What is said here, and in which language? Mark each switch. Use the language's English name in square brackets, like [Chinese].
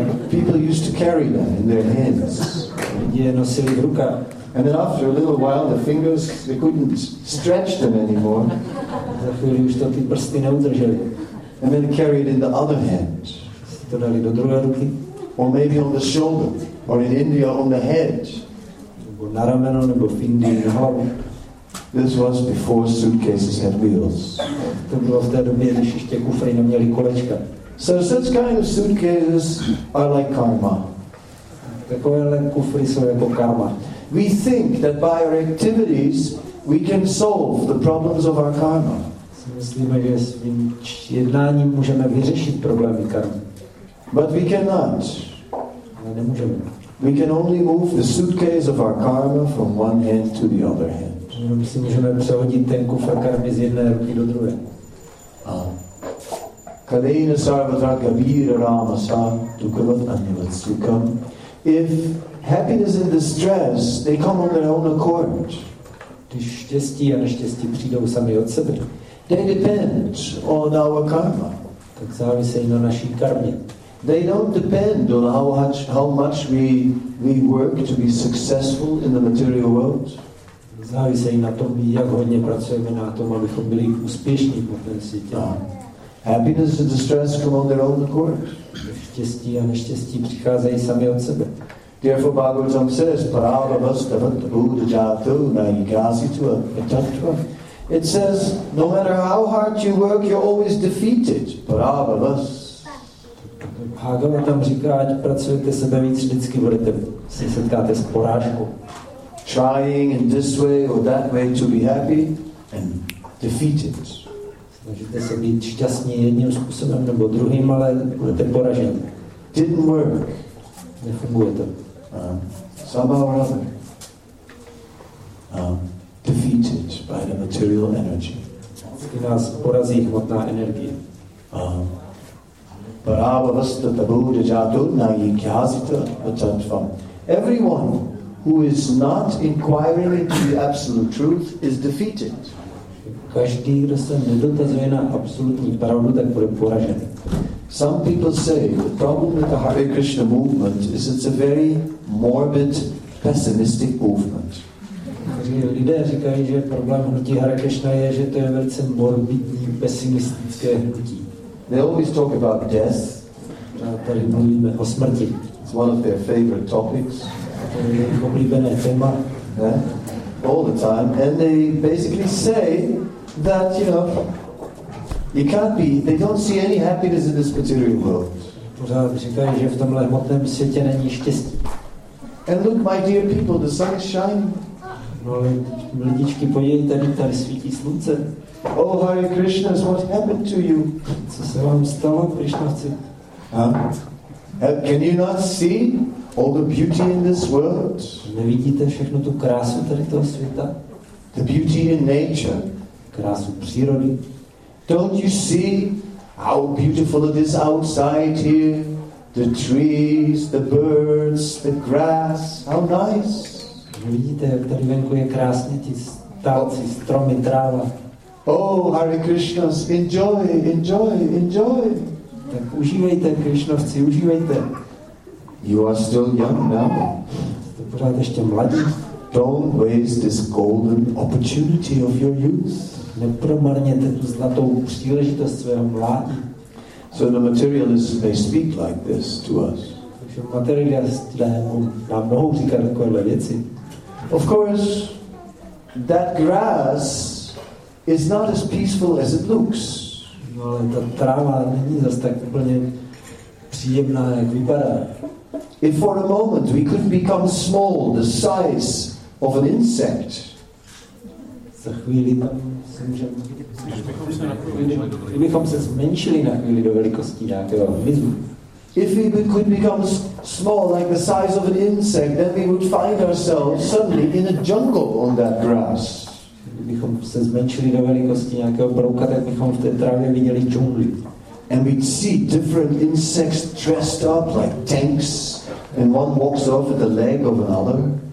[English] People used to carry them in their hands. [Czech] Je nosili v rukách. [English] And then after a little while, the fingers, they couldn't stretch them anymore. [Czech] Za chvíli už to ty prsty neudrželi. [English] And then carry it in the other hand. [Czech] Si to dali do druhé ruky. [English] Or maybe on the shoulder, or in India, on the head. [Czech] Nebo na rameno, nebo v Indii, na hlavu. [English] This was before suitcases had wheels. [Czech] To bylo v té době, když ještě kufry neměly kolečka. [English] So such kind of suitcases are like karma. [Czech] Takovéhle kufry jsou jako karma. [English] We think that by our activities we can solve the problems of our karma. [Czech] Myslíme, že svým jednáním můžeme vyřešit problémy karmy. [English] But we cannot. [Czech] Ale nemůžeme. [English] We can only move the suitcase of our karma from one hand to the other hand. [Czech] My si můžeme přehodit ten kufr karmy z jedné ruky do druhé. [Sanskrit] Kalena sarvatra kabira rama sa dukavat anyavat sukam. [English] If happiness and distress, they come on their own accord. [Czech] Když štěstí a neštěstí přijdou sami od sebe. [English] They depend on our karma. [Czech] Tak závisejí na naší karmě. [English] They don't depend on how much we work to be successful in the material world. [Czech] Závisejí na tom, jak hodně pracujeme na tom, abychom byli úspěšní po té světě. [English] Happiness and distress come on their own accord. [Czech] Štěstí a neštěstí přicházejí sami od sebe. [English] Therefore Bhagavatam says, [Sanskrit] Paravastavata Buddha Jato Naikasitva Etatva. [English] It says, no matter how hard you work, you're always defeated. [Sanskrit] Paravastavata. [Czech] Bhagavatam říká, ať pracujete sebe víc, vždycky budete se setkáte s porážkou. [English] Trying in this way or that way to be happy and defeated. [Czech] Snažíte se být šťastní jedním způsobem nebo druhým, ale budete poraženi. [English] Didn't work. [Czech] Nefunguje to. [English] Somehow or other, defeated by the material energy. [Czech] Vždycky nás porazí hmotná energie. [Sanskrit] Parava vasta tabuda jatunna yi khyasita vachantva. [English] Everyone who is not inquiring into the absolute truth is defeated. [Czech] Každý, kdo se nedotazuje na absolutní pravdu, tak bude poražen. [English] Some people say the problem with the Hare Krishna movement is it's a very morbid, pessimistic movement. [Czech] Lidé říkají, že problém hnutí Hare Krishna je, že to je velice morbidní, pesimistické hnutí. [English] They always talk about death. [Czech] A tady mluvíme o smrti. [English] It's one of their favorite topics. [Czech] To je jejich oblíbené téma. [English] Yeah? All the time. And they basically say that, you know, you can't be, they don't see any happiness in this material world. [Czech] Pořád říkají, že v tomhle hmotném světě není štěstí. [English] And look, my dear people, the sun is shining. [Czech] No, lidičky, podívejte, tady svítí slunce. [English] Oh, Hare Krishna, what happened to you? [Czech] Co se vám stalo, Krishnavci? [English] Can you not see all the beauty in this world? [Czech] Nevidíte všechno tu krásu tady toho světa? [English] The beauty in nature. [Czech] Krásu přírody. [English] Don't you see how beautiful it is outside here? The trees, the birds, the grass. How nice. [Czech] Vidíte, jak tady venku je krásně, ti stálci, stromy, tráva. [English] Oh, Hare Krishna, enjoy, enjoy, enjoy. [Czech] Tak užívejte, Krishnovci, užívejte. [English] You are still young now. [Czech] Jste pořád ještě mladí. [English] Don't waste this golden opportunity of your youth. [Czech] Nepromarněte tu zlatou příležitost svého mládí. [English] So the materialists, they speak like this to us. [Czech] Takže materialisté nám mohou říkat takovéhle věci. [English] Of course, that grass is not as peaceful as it looks. [Czech] No, ale ta tráva není zas tak úplně příjemná, jak vypadá. [English] If for a moment we could become small, the size of an insect. [Czech] Za chvíli můžeme, kdybychom se zmenšili na chvíli do velikosti nějakého hmyzu. [English] If we could become small like the size of an insect, then we would find ourselves suddenly in a jungle on that grass. [Czech] Kdybychom se zmenšili do velikosti nějakého brouka, tak bychom v té trávě viděli džungli. [English] And we'd see different insects dressed up like tanks, and one walks over the leg of another.